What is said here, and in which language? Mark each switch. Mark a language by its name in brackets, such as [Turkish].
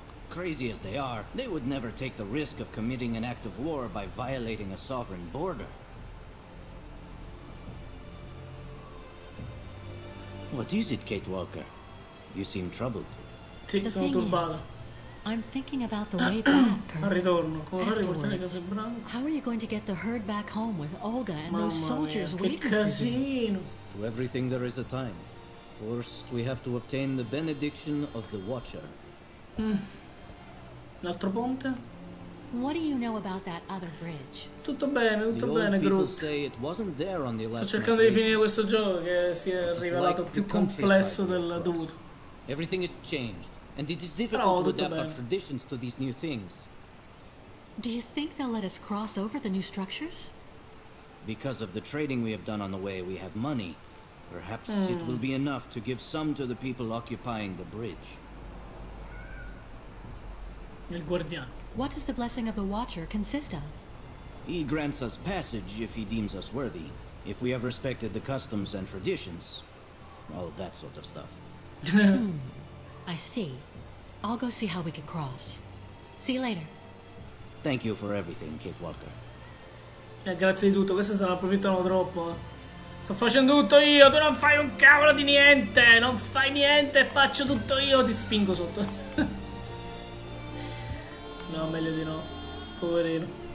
[English] Crazy as they are, they would never take the risk of committing an act of war by violating a sovereign border. What is it, Kate Walker? You seem troubled. [Italian] Sì, sono turbata. [English] I'm thinking about the way back. [Italian] Al ritorno, come vorrei portare casa in branco? [English] How are you going to get the herd back home with Olga and those soldiers waiting for you? [Italian] Mamma mia, che casino! [English] To everything there is a time. First, we have to obtain the benediction of the Watcher. [Italian] L'altro ponte? [English] What do you know about that other bridge? [Italian] Tutto bene, Groot. Sto cercando di finire questo gioco che si è rivelato più complesso del dovuto. [English] Everything has changed, and it is difficult to adapt our traditions to these new things. Do you think they'll let us cross over the new structures? Because of the trading we have done on the way, we have money. Perhaps it will be enough to give some to the people occupying the bridge. [Italian] Il guardiano. [English] What does the blessing of the Watcher consist of? He grants us passage if he deems us worthy, if we have respected the customs and traditions, all that sort of stuff. I see. I'll go see how we can cross. See you later. Thank you for everything, Kate Walker. [Italian] Grazie di tutto, questo se ne approfittano troppo. Sto facendo tutto io, tu non fai un cavolo di niente! Non fai niente, faccio tutto io, ti spingo sotto. No, meglio di no. Poverino.